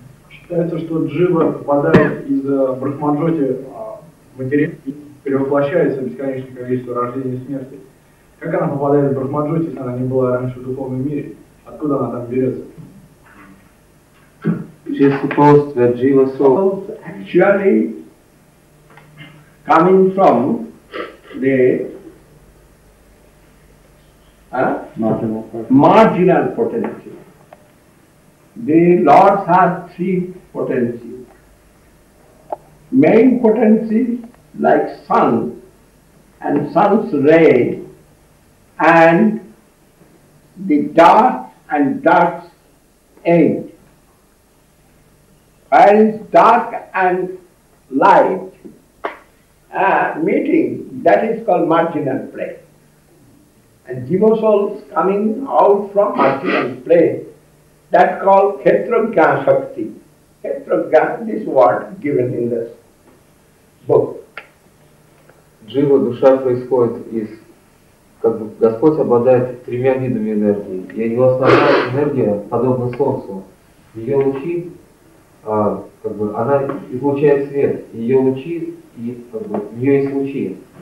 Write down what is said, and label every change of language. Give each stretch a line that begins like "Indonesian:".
Russian: Считается, что джива попадает из брахманджоти в материал, перевоплощается в бесконечное количество рождения и смерти. Как она попадает в брахманджоти, если она не была раньше в духовном мире? Откуда она там берется?
English: She is supposed to be a jiva soul. Actually, coming from the marginal potential. The lords have three potencies. Main potency like sun and sun's ray and the dark and dark's end. Whereas dark and light meeting, that is called marginal plane. And jiva souls coming out from marginal plane, that called Khetragya Shakti. Khetragya, this word given in this book.
Russian: Jiva, душа происходит из, как бы, Господь обладает тремя видами энергии. И у него основная энергия, подобно солнцу, ее лучи, как бы она излучает свет, ее лучи, и как бы, у нее есть лучи.